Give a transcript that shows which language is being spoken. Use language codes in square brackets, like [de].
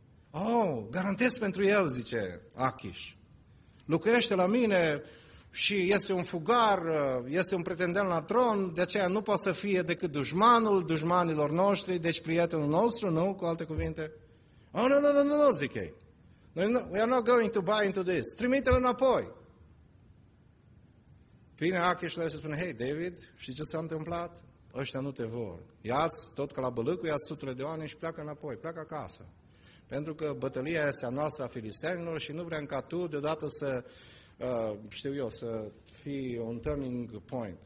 [ro] Oh, garantez pentru el, zice Achish. Lucrește la mine și este un fugar, este un pretendent la tron, de aceea nu poate să fie decât dușmanul dușmanilor noștri, deci prietenul nostru, nu? Cu alte cuvinte. Oh, nu, zic ei. [en] We are not going to buy into this. [ro] Trimite-l înapoi. Vine Achish și le spune, hei, David, știi ce s-a întâmplat? Ăștia nu te vor. Ia-ți tot ca la bălâcul, ia-ți sutele de oameni și pleacă înapoi, pleacă acasă. Pentru că bătălia este a noastră a filistenilor și nu vrem ca tu deodată să, știu eu, să fii un turning point.